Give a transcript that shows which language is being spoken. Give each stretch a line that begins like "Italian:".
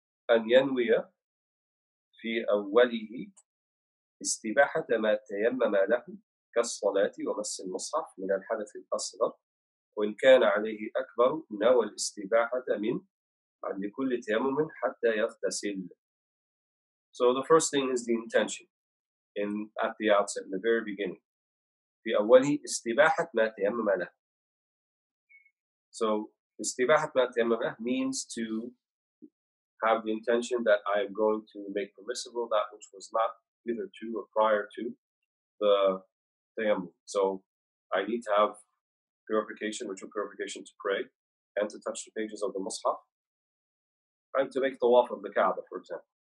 Arabic: أَنْ يَنْوِيَ فِي أَوَّلِهِ استباحة ما تيمم له كالصلاة ومس المصحف من الحدث الأصغر وإن كان عليه أكبر نوى الاستباحة من عند كل تيمم حتى يغتسل.
English: So the first thing is the intention at the outset, in the very beginning.
Arabic: في أوله استباحة ما تيمم له.
English: So
Arabic: استباحة ما تيمم له
English: means to have the intention that I am going to make permissible that which was not either to or prior to the tayammum. So I need to have purification, ritual purification to pray and to touch the pages of the mushaf and to make tawaf of the Kaaba, for example.